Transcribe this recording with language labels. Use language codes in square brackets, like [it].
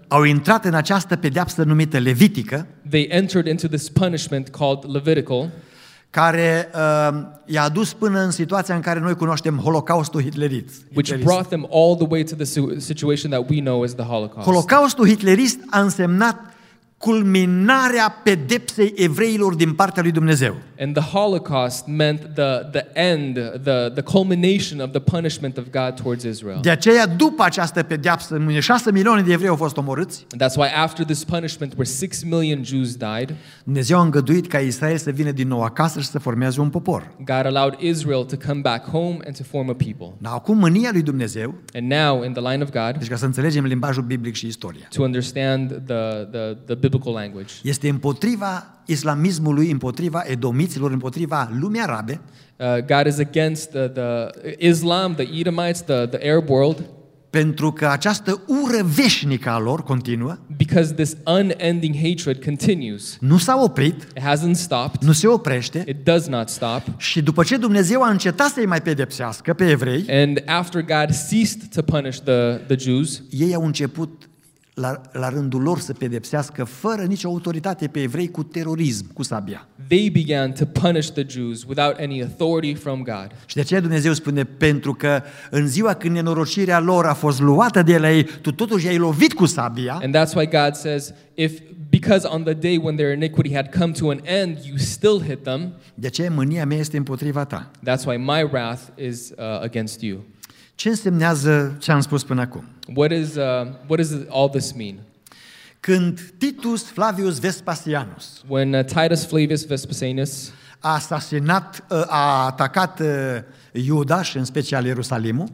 [ro] au intrat în această pedeapsă numită Levitică, [en] they entered into this punishment called Levitical, [ro] care i-a dus până în situația în care noi cunoaștem Holocaustul hitlerist. [en] Which brought them all the way to the situation that we know as the Holocaust. [ro] Holocaustul hitlerist a însemnat culminarea pedepsei evreilor din partea lui Dumnezeu. [en] And the Holocaust meant the end, the culmination of the punishment of God towards Israel. [ro] De aceea după această pedeapsă 6 milioane de evrei au fost omorâți. [en] That's why after this punishment where 6 million Jews died. [ro] Dumnezeu a îngăduit ca Israel să vină din nou acasă și să formeze un popor. [en] God allowed Israel to come back home and to form a people. [ro] Acum mânia lui Dumnezeu. [en] And now in the line of God. [ro] Deci ca să înțelegem limbajul biblic și istoria. [en] To understand the biblical language. [ro] Este împotriva islamismului, împotriva edomiților, împotriva lumii arabe. [en] God is against the Islam, the Edomites, the Arab world. [ro] Pentru că această ură veșnică a lor continuă. [en] Because this unending hatred continues. [ro] Nu s-a oprit. [en] It hasn't stopped. [ro] Nu se oprește. [en] It does not stop. [ro] Și după ce Dumnezeu a încetat să-i mai pedepsească pe evrei, [en] and after God ceased to punish the Jews, [ro] ei au început la rândul lor să pedepsească fără nicio autoritate pe evrei cu terorism, cu sabia. [en] They began to punish the Jews without any authority from God. [ro] Și de aceea Dumnezeu spune, pentru că în ziua când nenorocirea lor a fost luată de ei, tu totuși i-ai lovit cu sabia. [en] And that's why God says, if because on the day when their iniquity had come to an end, you still hit them. [ro] De aceea mânia mea este împotriva ta. [en] That's why my wrath is against you. [ro] Ce însemnează ce am spus până acum? [en] What does all this mean? [ro] Când Titus Flavius Vespasianus, [en] when Titus Flavius Vespasianus [ro] a atacat Iuda și în special Ierusalimul,